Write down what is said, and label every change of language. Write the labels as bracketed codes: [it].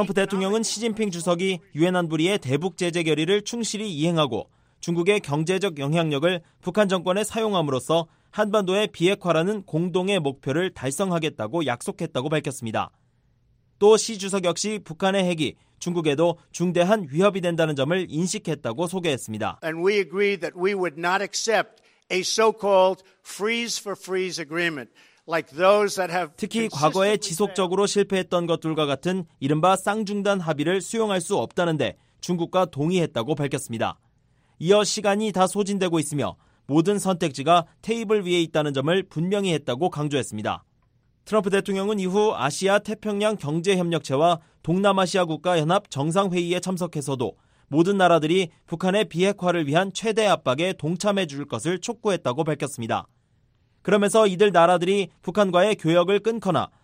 [ko] 트럼프 대통령은 시진핑 주석이 유엔 안보리의 대북 제재 결의를 충실히 이행하고 중국의 경제적 영향력을 북한 정권에 사용함으로써 한반도의 비핵화라는 공동의 목표를 달성하겠다고 약속했다고 밝혔습니다. 또 시 주석 역시 북한의 핵이 중국에도 중대한 위협이 된다는 점을 인식했다고 소개했습니다. [en] And we agree that we would not accept a so-called freeze for freeze agreement like those that have. [ko] 특히 과거에 지속적으로 실패했던 것들과 같은 이른바 쌍중단 합의를 수용할 수 없다는데 중국과 동의했다고 밝혔습니다. 이어 시간이 다 소진되고 있으며 모든 선택지가 테이블 위에 있다는 점을 분명히 했다고 강조했습니다. 트럼프 대통령은 이후 아시아 태평양 경제협력체와 동남아시아 국가연합 정상회의에 참석해서도 모든 나라들이 북한의 비핵화를 위한 최대 압박에 동참해 줄 것을 촉구했다고 밝혔습니다. 그러면서 이들 나라들이 북한과의 교역을 끊거나